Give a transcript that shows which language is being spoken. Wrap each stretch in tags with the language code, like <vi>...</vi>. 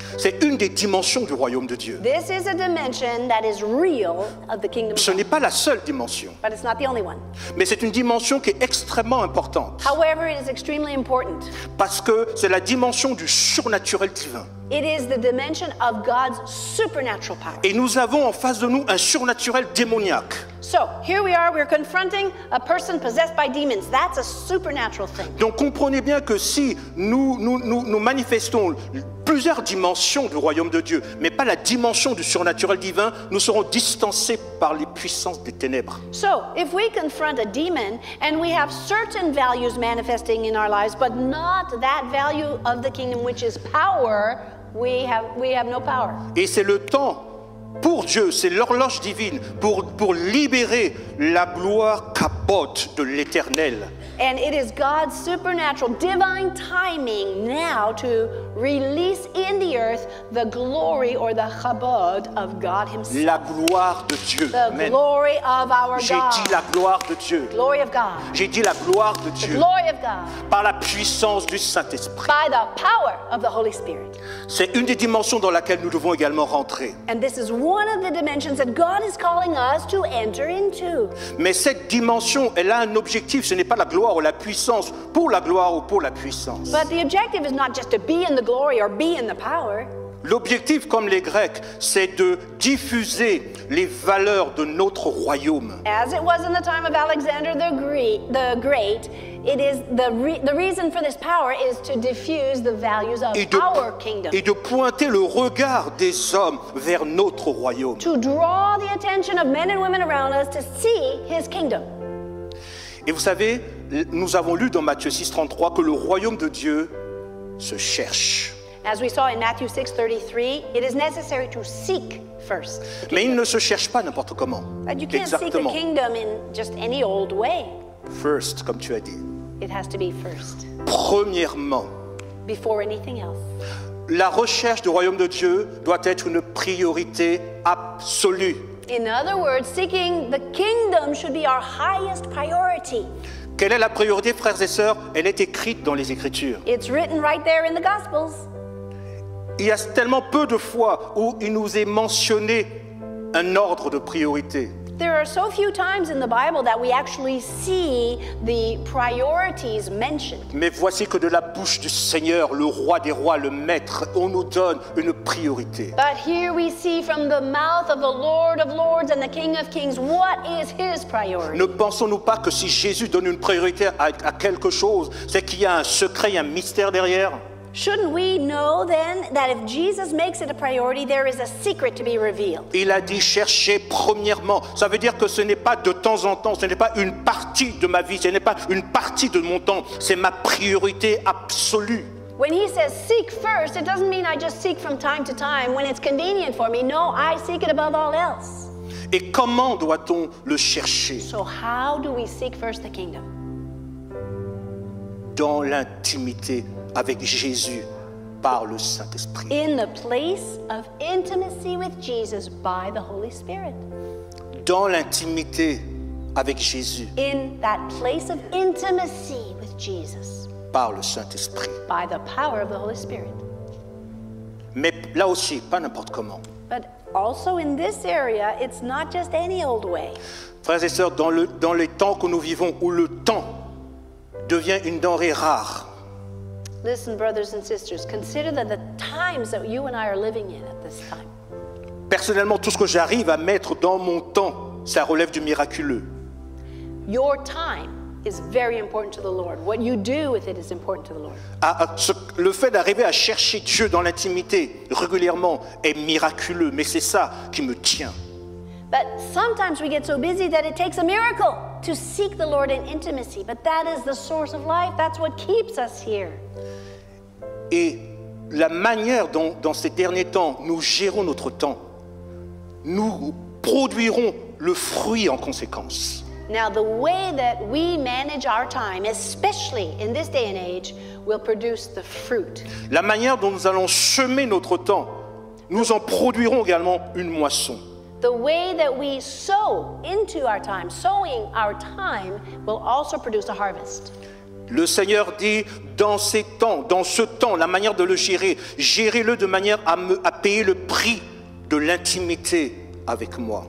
<fr>C'est une des dimensions du royaume de Dieu.</fr> <en>This is a dimension that is real of the kingdom.</en> <fr>Ce n'est pas la seule dimension.</fr> <en>But it's not the only one.</en> <fr>Mais c'est une dimension qui est extrêmement importante.</fr> <en>However, it is extremely important.</en> <fr>Parce que c'est la dimension du surnaturel divin.</fr> <en>It is the dimension of God's supernatural power.</en> <fr>Et nous avons en face de nous un surnaturel démoniaque.</fr> <en>So, here we are, we're confronting a person possessed by demons. That's a supernatural thing.</en> <fr>Donc comprenez bien que si nous manifestons plusieurs dimensions du royaume de Dieu, mais pas la dimension du surnaturel divin, nous serons distancés par les puissances des ténèbres.</fr> <en>So, if we confront a demon and we have certain values manifesting in our lives, but not that value of the kingdom, which is power, we have no power.</en> <fr>Et c'est le temps pour Dieu, c'est l'horloge divine pour libérer la gloire kabod de l'Éternel.</fr> <en>And it is God's supernatural divine timing now to release in the earth the glory or the kabod of God himself.</en> <fr>La gloire de Dieu.</fr> <en>The glory of our God.</en> <fr>J'ai dit la gloire de Dieu.</fr> <en>Glory of God.</en> <fr>J'ai dit la gloire de Dieu.</fr> <en>Glory of God.</en> <fr>Par la puissance du Saint-Esprit.</fr> <en>By the power of the Holy Spirit.</en> <fr>C'est une des dimensions dans laquelle nous devons également rentrer.</fr> <en>And this is one of the dimensions that God is calling us to enter into.</en> <fr>Mais cette dimension, elle a un objectif, ce n'est pas la gloire ou la puissance pour la gloire ou pour la puissance.</fr> <en>But the objective is not just to be in the glory or be in the power.</en> <fr>L'objectif, comme les Grecs, c'est de diffuser les valeurs de notre royaume.</fr> <en>As it was in the time of Alexander the Great, it is the reason for this power is to diffuse the values of our kingdom.</en> <fr>Et de pointer le regard des hommes vers notre royaume.</fr> <en>To draw the attention of men and women around us to see his kingdom.</en> <fr>Et vous savez, nous avons lu dans Matthieu 6:33 que le royaume de Dieu se cherche.</fr> <en>As we saw in Matthew 6:33, it is necessary to seek first.</en> <fr>Mais il ne se cherche pas n'importe comment.</fr> <en>But you can't seek the kingdom in just any old way.</en> <fr>First, comme tu as dit.</fr> <en>It has to be first.</en> <fr>Premièrement.</fr> <en>Before anything else.</en> <fr>La recherche du royaume de Dieu doit être une priorité absolue.</fr> <en>In other words, seeking the kingdom should be our highest priority.</en> <fr>Quelle est la priorité, frères et sœurs? Elle est écrite dans les Écritures.</fr> <en>It's written right there in the Gospels.</en> <fr>Il y a tellement peu de fois où il nous est mentionné un ordre de priorité.</fr> <en>There are so few times in the Bible that we actually see the priorities mentioned.</en> <fr>Mais voici que de la bouche du Seigneur, le roi des rois, le maître, on nous donne une priorité.</fr> <en>But here we see from the mouth of the Lord of Lords and the King of Kings, what is his priority?</en> <fr>Ne pensons-nous pas que si Jésus donne une priorité à quelque chose, c'est qu'il y a un secret, un mystère derrière?</fr> <en>Shouldn't we know then that if Jesus makes it a priority, there is a secret to be revealed?</en> <fr>Il a dit chercher premièrement. Ça veut dire que ce n'est pas de temps en temps, ce n'est pas une partie de ma vie, ce n'est pas une partie de mon temps. C'est ma priorité absolue.</fr> <en>When he says seek first, it doesn't mean I just seek from time to time when it's convenient for me. No, I seek it above all else.</en> <fr>Et comment doit-on le chercher?</fr> <en>So how do we seek first the kingdom?</en> <fr>Dans l'intimité avec Jésus par le Saint-Esprit.</fr> <en>In the place of intimacy with Jesus by the Holy Spirit.</en> <fr>Dans l'intimité avec Jésus.</fr> <en>In that place of intimacy with Jesus.</en> <fr>Par le Saint-Esprit.</fr> <en>By the power of the Holy Spirit.</en> <fr>Mais là aussi, pas n'importe comment.</fr> <en>But also in this area, it's not just any old way.</en> <fr>Frères et sœurs, dans les temps que nous vivons où le temps devient une denrée rare.</fr> <en>Listen, brothers and sisters, consider that the times that you and I are living in at this time.</en> <fr>Personnellement, tout ce que j'arrive à mettre dans mon temps, ça relève du miraculeux.</fr> <en>Your time is very important to the Lord. What you do with it is important to the Lord.</en> <fr>Le fait d'arriver à chercher Dieu dans l'intimité régulièrement est miraculeux, mais c'est ça qui me tient.</fr> <en>But sometimes we get so busy that it takes a miracle to seek the Lord in intimacy. But that is the source of life. That's what keeps us here.</en> <fr>Et la manière dont, dans ces derniers temps, nous gérons notre temps, nous produirons le fruit en conséquence.</fr> <en>Now, the way that we manage our time, especially in this day and age, will produce the fruit.</en> <fr>La manière dont nous allons semer notre temps nous en produirons également une moisson.</fr> <en>The way that we sow into our time, sowing our time, will also produce a harvest.</en> <fr>Le Seigneur dit, dans ces temps, dans ce temps, la manière de le gérer, gérez-le de manière à payer le prix de l'intimité avec moi.</fr>